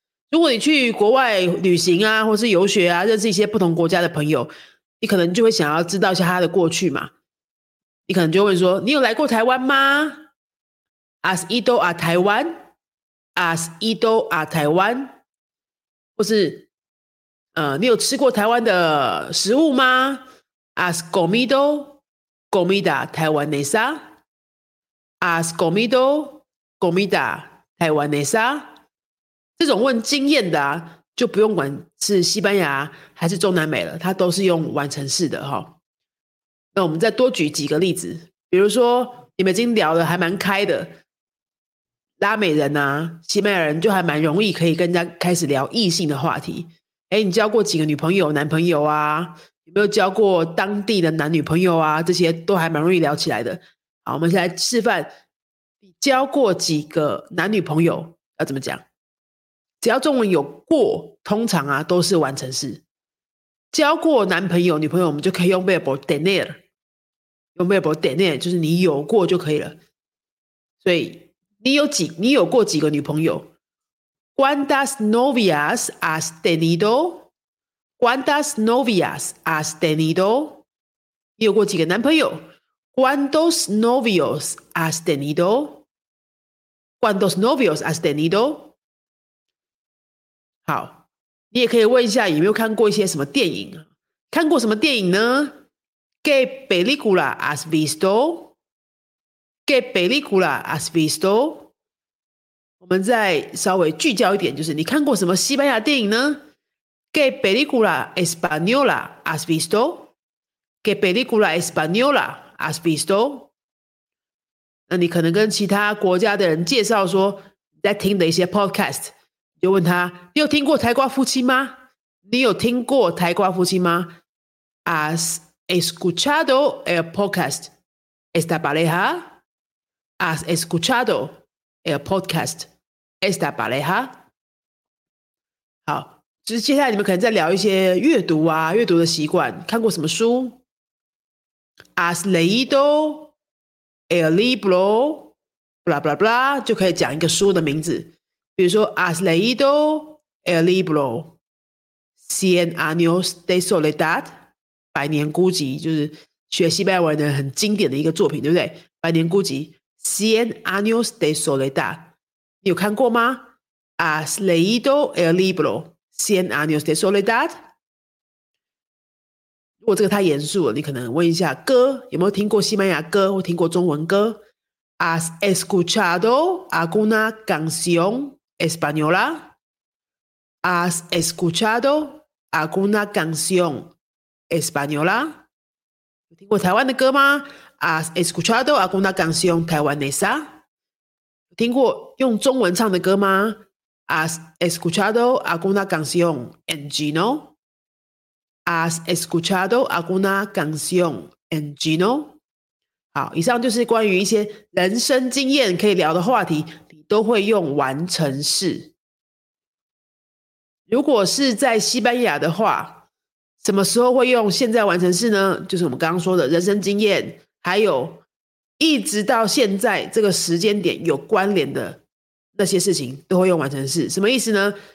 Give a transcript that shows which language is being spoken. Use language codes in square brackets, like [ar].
[zh] 如果你去国外旅行啊，或是游学啊，认识一些不同国家的朋友，你可能就会想要知道一下他的过去嘛。你可能就会问说，你有来过台湾吗？ [es] ¿Has ido a Taiwan? ¿Has ido a Taiwan? [zh] 或是你有吃过台湾的食物吗？ [es] ¿Has comido comida taiwanesa? Has comido comida taiwanesa? [zh] 这种问经验的、啊、就不用管是西班牙还是中南美了，它都是用完成式的、哦、那我们再多举几个例子，比如说你们已经聊得还蛮开的，拉美人啊西班牙人就还蛮容易可以跟人家开始聊异性的话题。诶，你交过几个女朋友男朋友啊？有没有交过当地的男女朋友啊？这些都还蛮容易聊起来的。好，我们现在示范你交过几个男女朋友要怎么讲。只要中文有过，通常啊都是完成式。交过男朋友女朋友，我们就可以用 verbo tener， 用 verbo tener 就是你有过就可以了。所以你有过几个女朋友？ [es] ¿Cuántas novias has tenido? ¿Cuántas novias has tenido? [zh] 你有过几个男朋友？ [es] ¿Cuántos novios has tenido? ¿Cuántos novios has tenido? [zh] 好，你也可以问一下有没有看过一些什么电影。看过什么电影呢？ [es] ¿Qué película has visto? ¿Qué película has visto? [zh] 我们再稍微聚焦一点，就是你看过什么西班牙电影呢？ [es] ¿Qué película española has visto? ¿Qué película española? Has visto? [zh] 那你可能跟其他国家的人介绍说你在听的一些 podcast， 就问他你有听过台瓜夫妻吗？你有听过台瓜夫妻吗？ [es] Has escuchado el podcast esta pareja? Has escuchado el podcast esta pareja? [zh] 好，就是接下来你们可能在聊一些阅读啊，阅读的习惯，看过什么书。 [es] Has leído el libro blah blah [zh] blah， 就可以讲一个书的名字，比如说 [es] Has leído el libro Cien años de soledad， [zh] 百年孤寂，就是学西班牙文的很经典的一个作品，对不对？百年孤寂 Cien años de soledad， 你有看过吗？ [es] Has leído el libro Cien años de soledad？ [zh] 如果这个太严肃了，你可能问一下歌，有没有听过西班牙歌或听过中文歌？ [es] ¿Has escuchado alguna canción española? ¿Has escuchado alguna canción española? [zh] 有听过台湾的歌吗？ [es] ¿Has escuchado alguna canción taiwanesa? [zh] 有听过用中文唱的歌吗？ [es] ¿Has escuchado alguna canción en chino? Has escuchado alguna canción en chino? [zh] 好，以上就是关于一些人生经验可以聊的话题，你都会用完成式。如果是在西班牙的话，什么时候会用现在完成式呢？就是我们刚刚说的人生经验，还有一直到现在这个时间点有关联的那些事情，都会用完成式。什么意思呢？